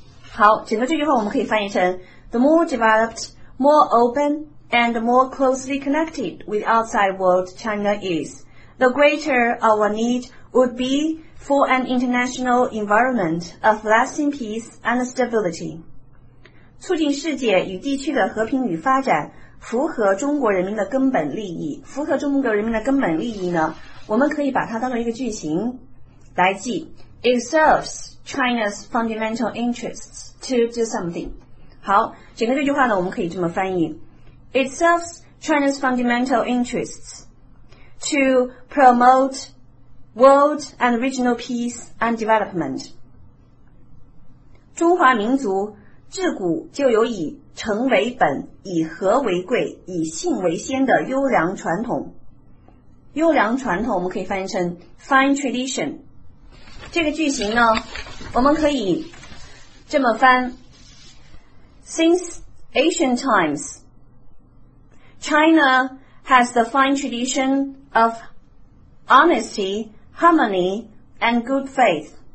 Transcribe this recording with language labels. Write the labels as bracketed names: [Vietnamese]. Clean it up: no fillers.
[Chinese] 好，整个这句话我们可以翻译成 [English] The more developed, more open, and more closely connected with the outside world China is, the greater our need would be for an international environment of lasting peace and stability. [Chinese] 促进世界与地区的和平与发展符合中国人民的根本利益，符合中国人民的根本利益呢，我们可以把它当成一个句型来记。 [English] It serves China's fundamental interests to do something. [Chinese] 好，整个这句话呢，我们可以这么翻译。 [English] It serves China's fundamental interests to promote world and regional peace and development. [Chinese] 中华民族自古就有以诚为本、以和为贵、以信为先的优良传统。优良传统我们可以翻译成 fine tradition。这个句型呢，我们可以这么翻， [English] Since ancient times China has the fine tradition of honesty, harmony and good faith。